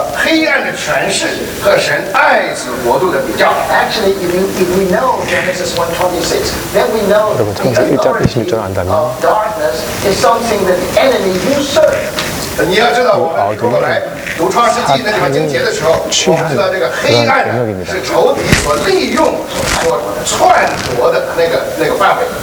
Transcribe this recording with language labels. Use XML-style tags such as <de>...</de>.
<zh>黑暗的权势和神爱子国度的比较。</zh> <en>Actually, if we know Genesis 1:26, then we know.</en> <ko>여러분창세1장26절을안다면</ko> <en>Darkness is something that the enemy usurps.</en> <zh>你要知道，我们如果来读创世纪的这个经节的时候，我们知道这个黑暗是仇敌所利用、所篡夺的那个范围。</zh>